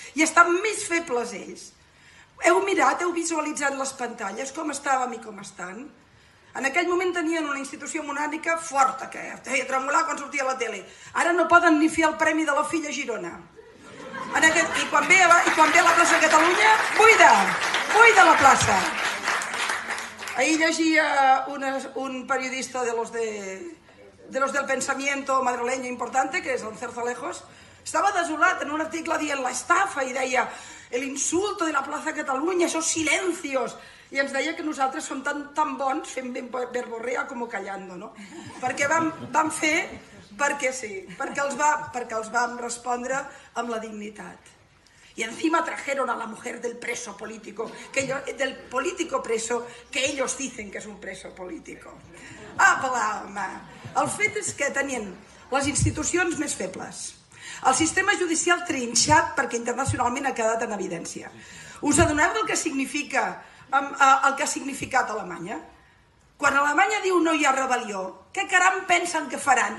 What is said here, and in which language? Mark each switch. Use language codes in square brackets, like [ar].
[ca] I estan més febles ells. Heu mirat, heu visualitzat les pantalles, com estàvem i com estan? En aquell moment tenien una institució monàrquica forta, que feia tremolar quan sortia a la tele. Ara no poden ni fer el premi de la filla a Girona. En aquest, i quan ve la plaça de Catalunya, buida! Buida la plaça! Ahir llegia un periodista de [es] los del pensamiento madrileño importante, que es el Zarzalejos, estaba desolado en un artículo [ca] dient [es] la estafa y [ca] deia [es] el insulto de la plaza Cataluña, esos silencios. [ca] Y ens deia que nosaltres som tan bons fent verborrea [es] como callando, [ca] ¿no? Perquè vam fer, perquè sí, perquè els vam respondre amb la dignitat. [es] Y encima trajeron a la mujer del preso político, que ellos, del político preso, que ellos dicen que es un preso político. [ca] ¡Apla, home! El fet és que tenien les institucions més febles, el sistema judicial trinxat perquè internacionalment ha quedat en evidència. Us adoneu del que significa el que ha significat Alemanya? Quan Alemanya diu no hi ha rebel·lió, què caram pensen que faran?